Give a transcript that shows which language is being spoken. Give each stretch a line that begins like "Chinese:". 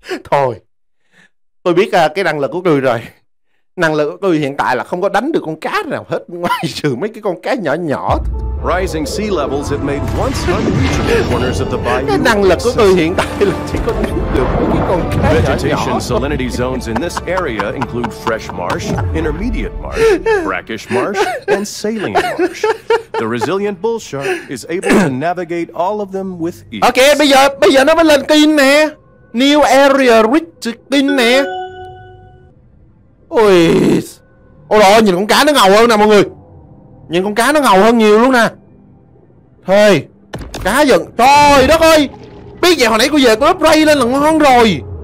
Vietnamese: Thôi, tôi biết cái năng lực của tôi rồi. Năng lực của tôi hiện tại là không có đánh được con cá nào hết, ngoài trừ mấy cái con cá nhỏ nhỏ.
English: Rising sea levels have made once unreachable corners of the bayou.
Vietnamese: Cái năng lực của tôi hiện tại là chỉ có đánh được mấy con cá nhỏ nhỏ.
English: Vegetation salinity zones in this area include fresh marsh, intermediate marsh, brackish marsh, and saline marsh. The resilient bull shark is able to navigate all of them with ease.
Vietnamese: Ok, bây giờ nó mới lên kinh nè.
English: New area rich
Vietnamese: kinh nè. Ôi trời ơi, nhìn con cá nó ngầu hơn nè mọi người. Nhìn con cá nó ngầu hơn nhiều luôn nè. Thôi, cá giận. Trời đất ơi, biết vậy hồi nãy cô về có upgrade lên là ngon rồi.